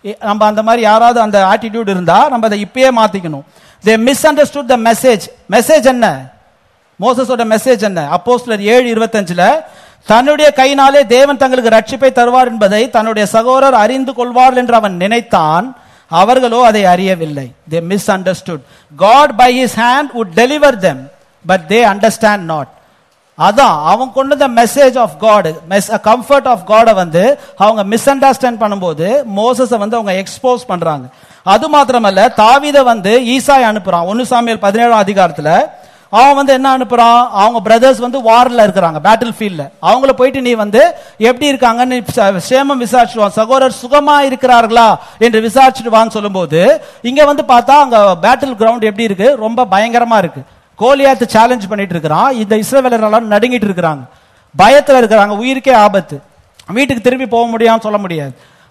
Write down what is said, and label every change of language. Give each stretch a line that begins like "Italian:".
Tamil: நம்ம அந்த மாதிரி யாராவது அந்த ஆட்டிடியூட் இருந்தா நம்ம அதை இப்பயே மாத்திக்கணும்.
English: They misunderstood the message.
Tamil: Message என்ன, மோசஸோட மெசேஜ் என்ன, அப்போஸ்தலர் 7:25 தன்னுடைய கையினாலே தேவன் தங்களுக்கு ரட்சிப்பை தருவார் என்பதை தன்னுடைய சகோதரர் அறிந்து கொள்வார் என்று அவன் நினைத்தான், அவர்களோ அதை அறியவில்லை.
English: They misunderstood. God by his hand would deliver them, but they understand not.
Tamil: அதான் அவங்க கொண்டு
English: message of God, comfort of காட
Tamil: வந்து அவங்க மிஸ் அண்டர்ஸ்டாண்ட் பண்ணும்போது மோசஸ் வந்து அவங்க எக்ஸ்போஸ் பண்றாங்க. அது மாத்திரமல்ல, தாவீத வந்து ஈசாய் அனுப்புறான் 1 Samuel 17 அவன் வந்து என்ன அனுப்புறான், அவங்க பிரதர்ஸ் வந்து வார்ல இருக்கிறாங்க, பேட்டில் ஃபீல்ட்ல, அவங்கள போயிட்டு நீ வந்து எப்படி இருக்காங்கன்னு சேமம் விசாரிச்சுடுவான், சகோதரர் சுகமா இருக்கிறார்களா என்று விசாரிச்சுட்டுவான்னு சொல்லும் போது இங்க வந்து பார்த்தா அங்க பேட்டில் கிரவுண்ட் எப்படி இருக்கு, ரொம்ப பயங்கரமா இருக்கு, கோலியாத்து சேலஞ்ச் பண்ணிட்டு இருக்கிறான், இந்த இஸ்ரவேலர்லாம் நடுங்கிட்டு இருக்கிறாங்க, பயத்துல இருக்கிறாங்க, உயிருக்கே ஆபத்து, வீட்டுக்கு திரும்பி போக முடியாம சொல்ல முடியாது.